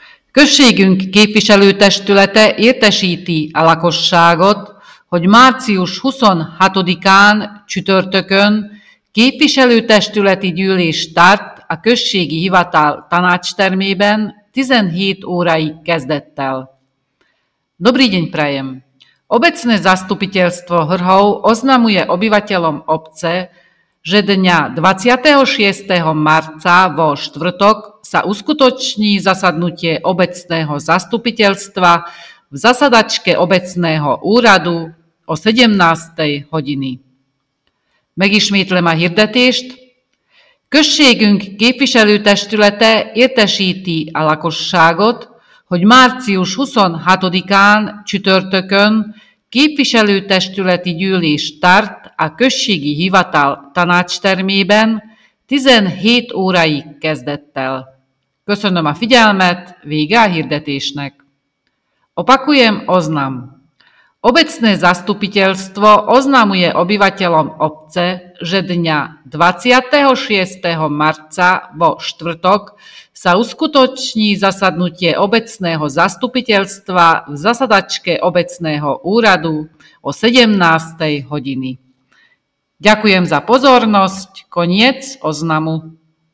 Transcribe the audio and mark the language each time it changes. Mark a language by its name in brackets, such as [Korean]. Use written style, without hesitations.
[Hungarian] Községünk képviselőtestülete értesíti a lakosságot, hogy március 26-án csütörtökön képviselőtestületi gyűlés tart a községi hivatal tanácstermében 17 óráig kezdettel. [Slovak] Dobrý deň prajem! Obecné zastupiteľstvo Hrhov oznamuje obyvateľom obce, že dňa 26. marca vo štvrtok sa uskutoční zasadnutie obecného zastupiteľstva v zasadačke obecného úradu o 17. hodiny. [Hungarian] Megismétlem a hirdetést. Községünk képviselőtestülete értesíti a lakosságot, hogy március 26-án csütörtökön képviselőtestületi gyűlés tart a községi hivatal tanácstermében 17 óráig kezdettel. Köszönöm a figyelmet, vége a hirdetésnek. [Slovak] Opakujem oznam. Obecné zastupiteľstvo oznamuje obyvateľom obce, že dňa 26. marca vo štvrtok sa uskutoční zasadnutie obecného zastupiteľstva v zasadačke obecného úradu o 17. hodiny. Ďakujem za pozornosť. Koniec oznamu.